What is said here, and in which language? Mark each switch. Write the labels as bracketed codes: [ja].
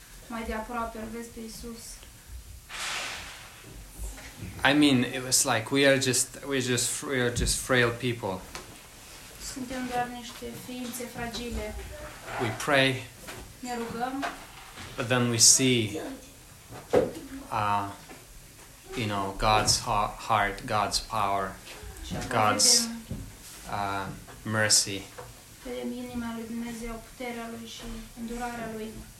[en] I mean, it was like we are just frail people. [ro] Suntem doar niște ființe fragile. [en] We pray. [ro] Ne rugăm. [en] But then we see, you know, God's heart, God's power, God's mercy. [ro] Vedem inima lui Dumnezeu, puterea lui și îndurarea lui.